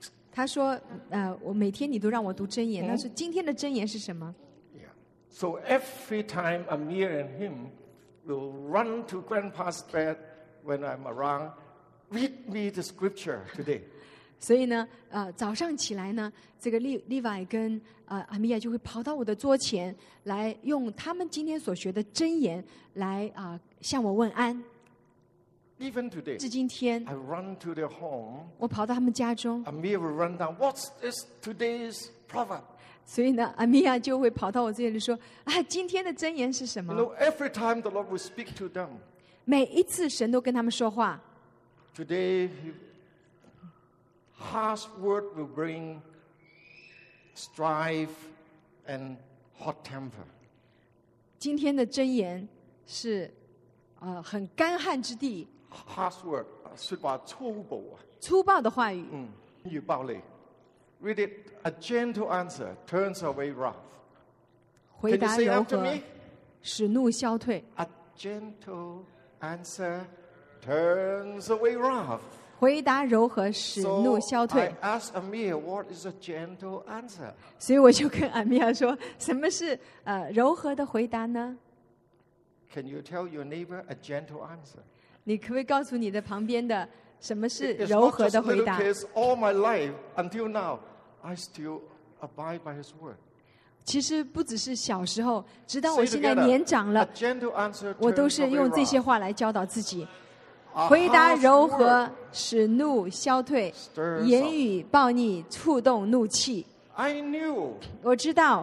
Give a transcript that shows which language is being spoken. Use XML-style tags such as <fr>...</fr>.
<zh>他说，我每天你都让我读箴言。那是今天的箴言是什么</zh> <en>？Yeah. So every time Amir and him will run to Grandpa's bed when I'm around, read me the scripture today.</en> <zh>所以呢，早上起来呢，这个Levi 跟Amir 就会跑到我的桌前，来用他们今天所学的箴言来向我问安。</zh> <en>Even today,</en> <zh>至今天</zh> <en>I run to their home,</en> <zh>我跑到他们家中</zh> <en>Amir will run down, what's this today's proverb?</en> <zh>所以呢 Amir 就会跑到我这里说、啊、今天的箴言是什么</zh> <en>you know, Every time the Lord will speak to them,</en> <zh>每一次神都跟他们说话</zh> <en>Today, harsh word will bring strife and hot temper.</en> <zh>今天的箴言是很干旱之地</zh> <en>Harsh word,</en> <zh>是吧？粗暴啊！粗暴的话语。嗯，语暴力。</zh> <en>Read it. A gentle answer turns away wrath.</en> <zh>回答柔和，使怒消退。</zh> <en>A gentle answer turns away wrath.</en> <zh>回答柔和，使怒消退。</zh> <en>So I ask Amir, what is a gentle answer?</en> <zh>所以我就跟 Amir 说，什么是柔和的回答呢</zh> <en>？Can you tell your neighbor a gentle answer?</en> <zh>你可不可以告诉你的旁边的什么是柔和的回答?</zh> <en>It's not just little kids, all my life, until now, I still abide by his word.</en> <zh>其实不只是小时候, 直到我现在年长了,</zh> <en>Say together, a gentle answer turns away wrath.</en> <zh>我都是用这些话来教导自己。回答柔和使怒消退, 言语暴逆触动怒气。</zh> <en>I knew</en> <zh>我知道,</zh>